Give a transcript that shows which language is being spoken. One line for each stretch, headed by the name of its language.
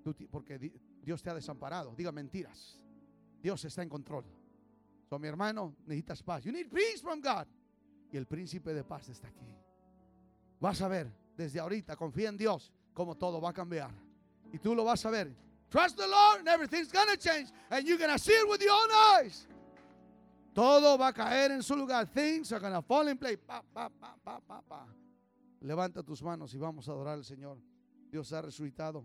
Spanish: Porque Dios te ha desamparado. Diga mentiras. Dios está en control. So, mi hermano, necesitas paz.
English: You need peace from God.
Spanish: Y el príncipe de paz está aquí. Vas a ver, desde ahorita, confía en Dios, cómo todo va a cambiar. Y tú lo vas a ver.
English: Trust the Lord and everything's going to change. And you're going to see it with your own eyes.
Spanish: Todo va a caer en su lugar.
English: Things are going to fall in place.
Spanish: Pa, pa, pa, pa, pa, pa. Levanta tus manos y vamos a adorar al Señor. Dios ha resucitado.